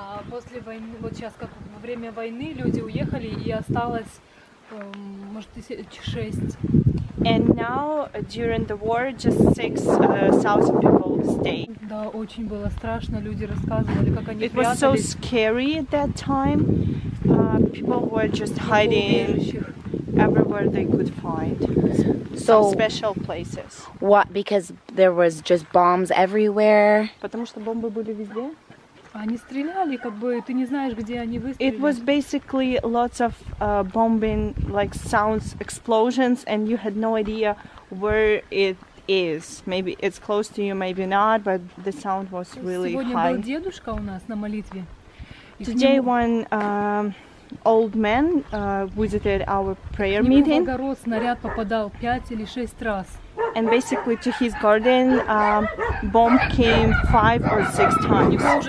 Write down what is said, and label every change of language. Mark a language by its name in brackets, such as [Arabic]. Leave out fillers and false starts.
[Russian] После войны, вот сейчас как во время войны, люди уехали и осталось. [English] And now, during the war, just 6,000 people stayed. [Russian] Очень было страшно. Люди рассказывали, как они. [English] It was so scary at that time. People were just hiding everywhere they could find. So special places. What? Because there was just bombs everywhere. [Russian] Потому что бомбы были везде. Они стреляли, как бы ты не знаешь, где они выстрелили. [English] It was basically lots of bombing, like sounds, explosions, and you had no idea where it is. Maybe it's close to you, maybe not, but the sound was really high. [Russian] Сегодня был дедушка у нас на молитве. [English] Today one old man visited our prayer meeting. [Russian] В него огород снаряд попадал 5 или 6 раз. [English] And basically, to his garden, bomb came 5 or 6 times.